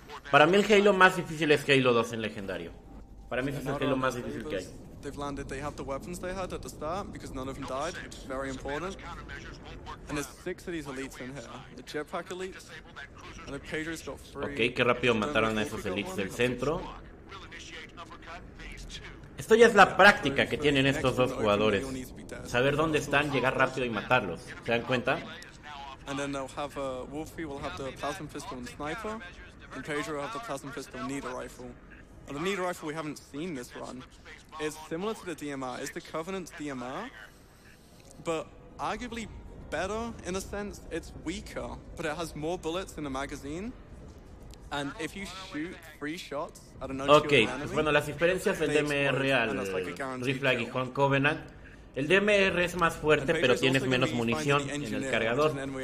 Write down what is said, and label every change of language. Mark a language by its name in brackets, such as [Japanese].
[Spanish] Para mí el Halo más difícil es Halo 2 en legendario. Para mí es el Halo más difícil que hay. [English] They've landed, they have the weapons they had at the start, because none of them died, which is very important. And there's six of these elites in here. The jetpack elites, and the Pedro's got three. [Spanish] Okay, qué rápido mataron a esos elites del centro. Esto ya es la práctica que tienen estos dos jugadores. Saber dónde están, llegar rápido y matarlos. ¿Se dan cuenta? [English] And then they'll have a Wolfie will have the plasma pistol and sniper, and Pedro will have the plasma pistol and needle rifle. And the needle rifle we haven't seen this run. It's similar to the DMR. It's the Covenant's DMR, but arguably better in a sense. It's weaker, but it has more bullets in the magazine. And if you shoot three shots, I don't know. [Spanish] Okay, pues bueno, las diferencias del DMR al rifle aguijón Covenant. El DMR es más fuerte, pero tienes menos munición en el cargador.